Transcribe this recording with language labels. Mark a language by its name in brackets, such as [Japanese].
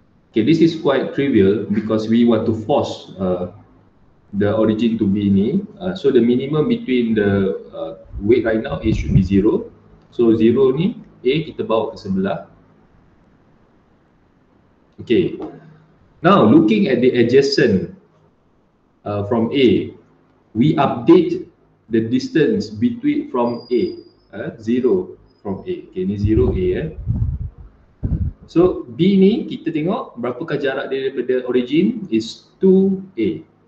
[English] Okay, this is quite trivial because we want to force the origin to be ni, so the minimum between the weight right now A should be 0. [Malay] So 0 ni A kita bawa ke sebelah. [English] Okay, now looking at the adjacent from A, we update the distance between from A, 0 from A. [Malay] Okay, ni 0 A eh. So B ni kita tengok berapakah jarak dia daripada origin is 2A.